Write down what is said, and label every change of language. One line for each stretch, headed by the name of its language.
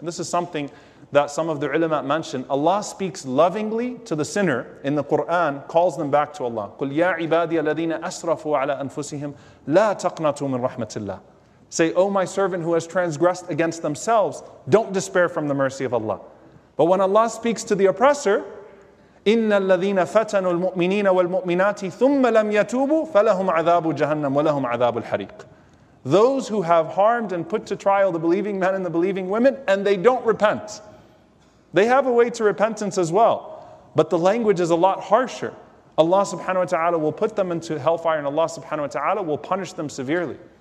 English: And this is something that some of the ulama mentioned. Allah speaks lovingly to the sinner in the Qur'an, calls them back to Allah.
Arabic: قُلْ يَا عِبَادِيَ الَّذِينَ أَسْرَفُوا عَلَىٰ أَنفُسِهِمْ لَا تَقْنَطُوا مِنْ رَحْمَةِ اللَّهِ.
English: Say, O my servant who has transgressed against themselves, don't despair from the mercy of Allah. But when Allah speaks to the oppressor,
Arabic: إِنَّ الَّذِينَ فَتَنُوا الْمُؤْمِنِينَ وَالْمُؤْمِنَاتِ ثُمَّ لَمْ يَتُوبُوا فَلَهُمْ عَذَابُ جَهَنَّمُ وَلَهُمْ عَذَابُ الْحَرِيقِ.
English: Those who have harmed and put to trial the believing men and the believing women, and they don't repent. They have a way to repentance as well. But the language is a lot harsher. Allah subhanahu wa ta'ala will put them into hellfire, and Allah subhanahu wa ta'ala will punish them severely.